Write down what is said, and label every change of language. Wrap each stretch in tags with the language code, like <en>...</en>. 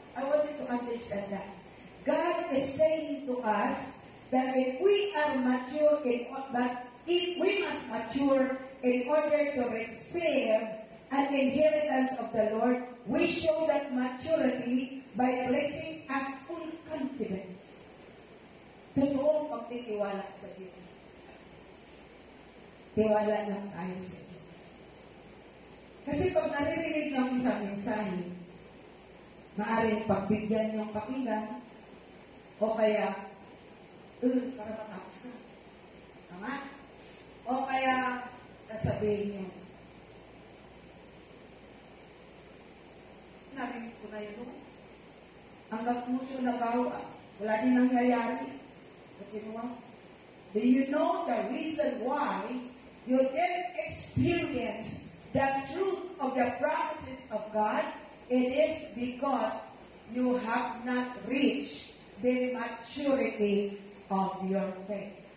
<en>I want you to understand that. God is saying to us that if we are mature, that if we must mature in order to receive an inheritance of the Lord, we show that maturity by placing a full confidence.</en> <tl>Totoo magtitiwala sa Diyos. Tiwala lang tayo sa Diyos. Kasi pag naririnig lang sa mensahe, maaaring pagbigyan yung pakinggan, o kaya, para matapos ka. Tama? O kaya, nasabihin niyo, narinig ko na yun. Ang magmuso na bawa, wala din nangyayari.</tl> <en>But you know what? Do you know the reason why you didn't experience the truth of the promises of God? It is because you have not reached the maturity of your faith.</en>